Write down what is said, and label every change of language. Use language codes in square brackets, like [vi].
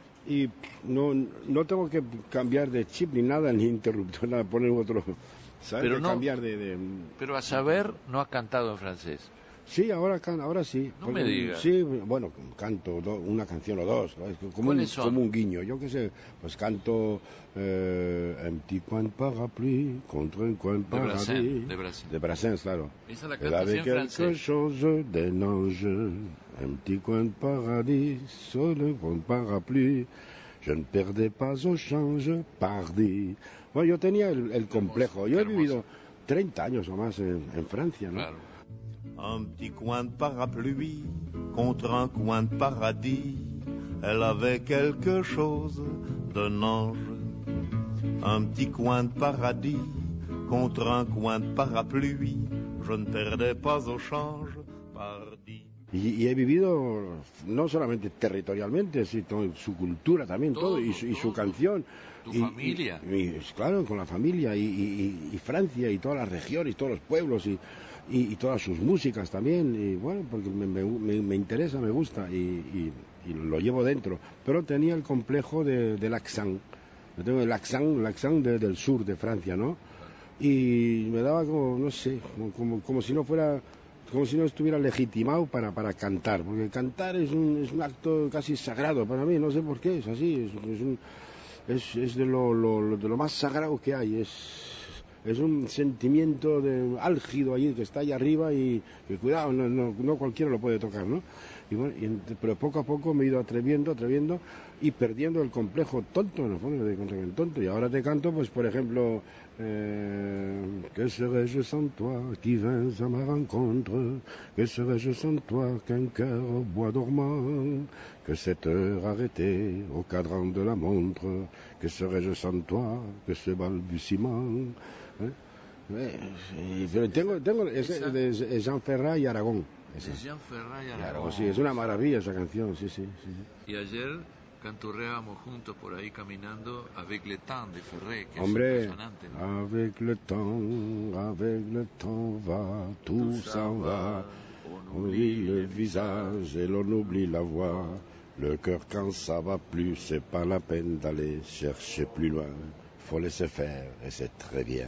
[es] Y no tengo que cambiar de chip ni nada, ni interruptor, nada, poner otro, ¿sabes? Pero cambiar de pero a saber, no ha cantado en francés. Sí, ahora sí. No porque, me digas. Sí, bueno, canto una canción o dos. ¿No? Como ¿cuáles son? Como un guiño, yo qué sé. Pues canto [fr] Un petit coin de parapluie contre un coin de parapluie. [es] De Brassens, claro. Esa la canta en [fr] quelque [es] francés. [fr] Chose de nage. Un petit coin de paradis sur le coin de parapluie. Je ne perdais pas au change, pardi. [es] Bueno, yo tenía el complejo. Yo he vivido 30 años o más en Francia, ¿no? Claro. [fr] Un petit coin de parapluie contre un coin de paradis, elle avait quelque chose d'un ange. Un petit coin de paradis contre un coin de parapluie, je ne perdais pas au change, pardi. [es] Y he vivido no solamente territorialmente, sino su cultura también, todo, su canción. Tu familia. Y, claro, con la familia y Francia y todas las regiones y todos los pueblos y todas sus músicas también. Y bueno, porque me interesa, me gusta y lo llevo dentro. Pero tenía el complejo de l'accent. Yo tengo l'accent del sur de Francia, ¿no? Y me daba como, no sé, como si no fuera... Como si no estuviera legitimado para cantar, porque cantar es un acto casi sagrado para mí, no sé por qué, es así, es de lo más sagrado que hay, es un sentimiento de álgido allí que está ahí arriba y cuidado, no cualquiera lo puede tocar, ¿no? Y bueno, pero poco a poco me he ido atreviendo y perdiendo el complejo tonto, en el fondo, de contra el tonto. Y ahora te canto, pues, por ejemplo, [fr] ¿qué serais-je sans toi qui vins à ma rencontre? ¿Qué serais-je sans toi qu'un cœur au bois dormant? ¿Qué cette heure arrêtée au cadran de la montre? ¿Qué serais-je sans toi que ce balbutiement? [es] Pero tengo es Jean Ferrat y Aragón. Esa. De Jean Ferrat y Aragón. Claro, sí, es una maravilla esa canción, sí. Y ayer canturreábamos juntos por ahí caminando Avec le temps de Ferret, que hombre, es impresionante, ¿no? [fr] Avec le temps va, tout s'en va, on oublie le visage et l'on oublie la voix, le cœur quand ça va plus, c'est pas la peine d'aller chercher plus loin, faut laisser faire, et c'est très bien.